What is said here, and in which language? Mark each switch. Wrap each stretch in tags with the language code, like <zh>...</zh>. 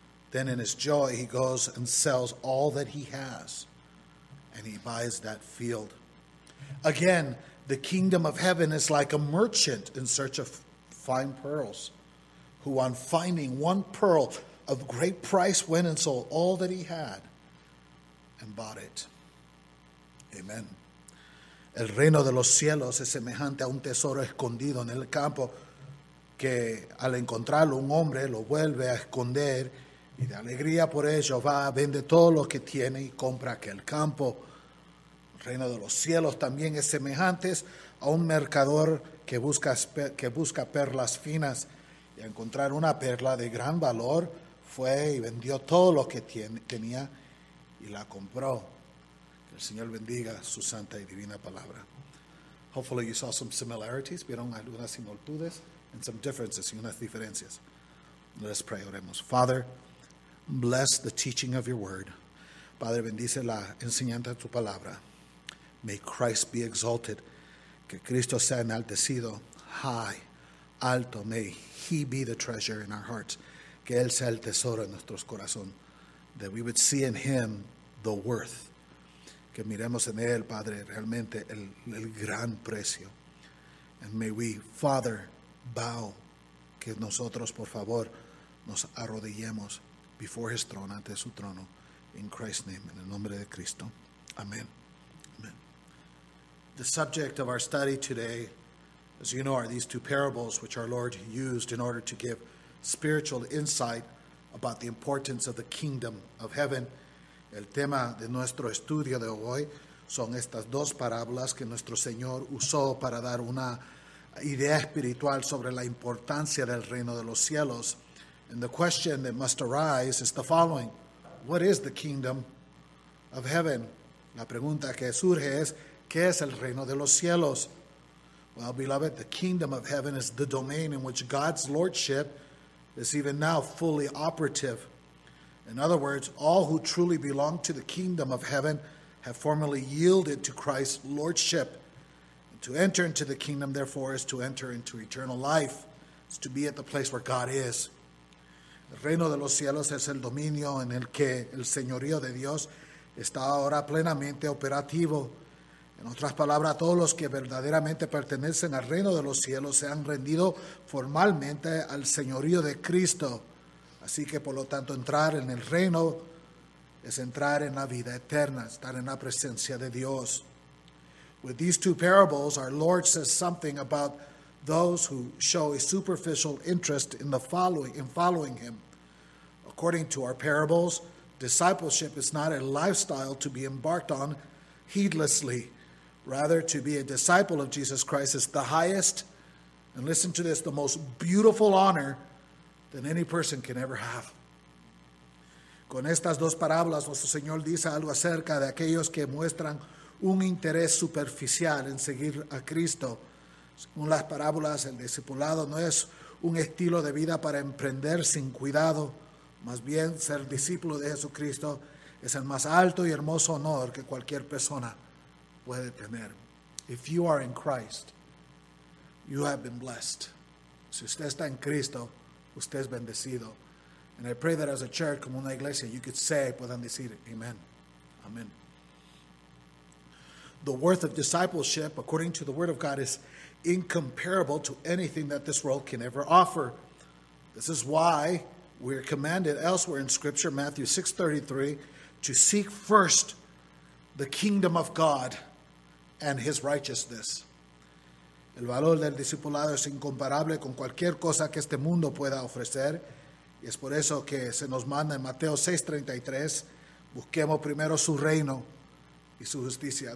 <en>Then in his joy, he goes and sells all that he has, and he buys that field. Again, the kingdom of heaven is like a merchant in search of fine pearls, who on finding one pearl of great price went and sold all that he had and bought it. Amen.</en> <es>El reino de los cielos es semejante a un tesoro escondido en el campo que al encontrarlo un hombre lo vuelve a esconder y de alegría por ello va, vende todo lo que tiene y compra aquel campo. El reino de los cielos también es semejante a un mercador que busca perlas finas y al encontrar una perla de gran valor fue y vendió todo lo que tenía y la compró. El Señor bendiga su santa y divina palabra.</es> <en>Hopefully you saw some similarities.</en> <es>Vieron algunas similitudes</es> <en>and some differences,</en> <es>y unas diferencias.</es> <en>Let's pray,</en> <es>oremos.</es> <en>Father, bless the teaching of your word.</en> <es>Padre, bendice la enseñanza de tu palabra.</es> <en>May Christ be exalted.</en> <es>Que Cristo sea enaltecido,</es> <en>high,</en> <es>alto.</es> <en>May he be the treasure in our hearts.</en> <es>Que él sea el tesoro en nuestros corazones.</es> <en>That we would see in him the worth.</en> <es>Que miremos en él, Padre, realmente el gran precio.</es> <en>And may we, Father, bow,</en> <es>que nosotros, por favor, nos arrodillemos</es> <en>before his throne,</en> <es>ante su trono,</es> <en>in Christ's name,</en> <es>en el nombre de Cristo.</es> <en>Amen. Amen. The subject of our study today, as you know, are these two parables which our Lord used in order to give spiritual insight about the importance of the kingdom of heaven.</en> <es>El tema de nuestro estudio de hoy son estas dos parábolas que nuestro Señor usó para dar una idea espiritual sobre la importancia del reino de los cielos.</es> <en>And the question that must arise is the following. What is the kingdom of heaven?</en> <es>La pregunta que surge es, ¿qué es el reino de los cielos?</es> <en>Well, beloved, the kingdom of heaven is the domain in which God's lordship is even now fully operative. In other words, all who truly belong to the kingdom of heaven have formally yielded to Christ's lordship. And to enter into the kingdom, therefore, is to enter into eternal life. It's to be at the place where God is.</en> <es>El reino de los cielos es el dominio en el que el señorío de Dios está ahora plenamente operativo. En otras palabras, todos los que verdaderamente pertenecen al reino de los cielos se han rendido formalmente al señorío de Cristo. Así que, por lo tanto, entrar en el reino es entrar en la vida eterna, estar en la presencia de Dios.</es> <en>With these two parables, our Lord says something about those who show a superficial interest in following him. According to our parables, discipleship is not a lifestyle to be embarked on heedlessly. Rather, to be a disciple of Jesus Christ is the highest, and listen to this, the most beautiful honor than any person can ever have.</en> <es>Con estas dos parábolas, nuestro Señor dice algo acerca de aquellos que muestran un interés superficial en seguir a Cristo. Según las parábolas, el discipulado no es un estilo de vida para emprender sin cuidado. Más bien, ser discípulo de Jesucristo es el más alto y hermoso honor que cualquier persona puede tener.</es> <en>If you are in Christ, you have been blessed.</en> <es>Si usted está en Cristo, usted es bendecido.</es> <en>And I pray that as a church,</en> <es>como una iglesia,</es> <en>you could say,</en> <es>puedan decir,</es> <en>amen. Amen. The worth of discipleship, according to the word of God, is incomparable to anything that this world can ever offer. This is why we are commanded elsewhere in Scripture, Matthew 6:33, to seek first the kingdom of God and his righteousness.</en> <es>El valor del discipulado es incomparable con cualquier cosa que este mundo pueda ofrecer. Y es por eso que se nos manda en Mateo 6:33, busquemos primero su reino y su justicia.</es>